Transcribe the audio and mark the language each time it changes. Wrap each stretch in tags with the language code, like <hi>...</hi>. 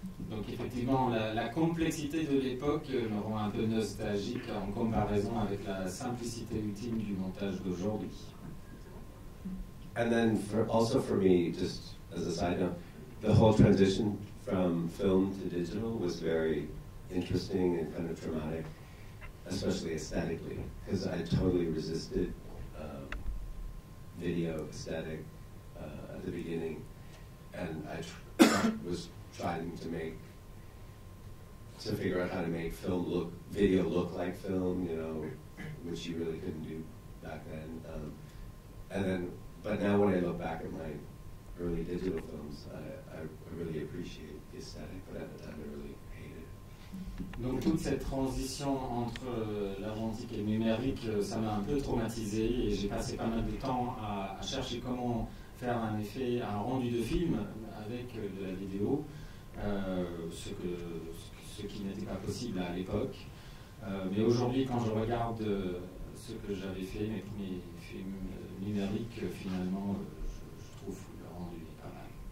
<fr>Donc effectivement, la complexité de l'époque me rend un peu nostalgique en comparaison avec la simplicité ultime du montage d'aujourd'hui.</fr> <en>And then for, also for me, just as a side note, the whole transition from film to digital was very interesting and kind of traumatic, especially aesthetically, because I totally resisted video aesthetic at the beginning, and I was trying to figure out how to make video look like film, you know, which you really couldn't do back then. But now when I look back at my early digital films, I really appreciate the aesthetic, but at the time I really hate it.</en> <fr>Donc toute cette transition entre l'argentique et le numérique, ça m'a un peu traumatisé et j'ai passé pas mal de temps à chercher comment faire un effet, un rendu de film avec de la vidéo. Ce qui n'était pas possible à l'époque. Mais aujourd'hui, quand je regarde ce que j'avais fait, mes premiers films numériques, finalement, je trouve le rendu est pas mal.</fr>